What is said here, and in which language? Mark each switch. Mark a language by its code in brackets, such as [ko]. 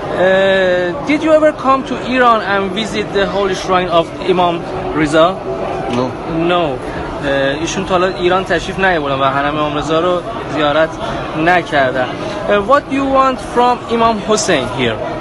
[en] Did you ever come to Iran and visit the holy shrine of Imam Reza? No. No. [fa] ایشون تا حالا ایران تشریف نیاوردن و حرم امام رضا رو زیارت نکردن. [en] What do you want from Imam Hussein here?